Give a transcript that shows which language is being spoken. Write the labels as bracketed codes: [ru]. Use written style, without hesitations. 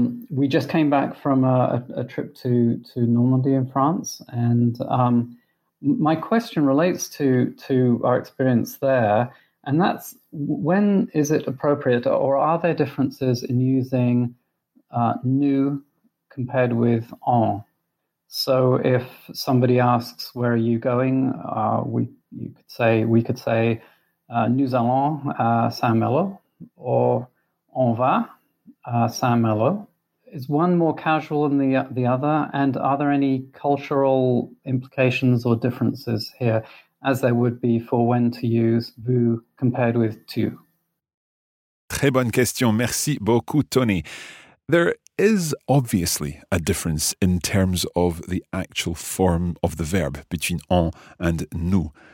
[en] We just came back from a trip to Normandy in France, and my question relates to our experience there And that's, when is it appropriate, or are there differences in using new compared with en? So if somebody asks, where are you going? We could say [fr] nous allons à Saint-Malo, [en] or [fr] on va à Saint-Malo. [en] Is one more casual than the other? And are there any cultural implications or differences here, as there would be for when to use vous compared with tu? [fr] Très bonne question. Merci beaucoup, Tony. [en] There is obviously a difference in terms of the actual form of the verb between on and nous.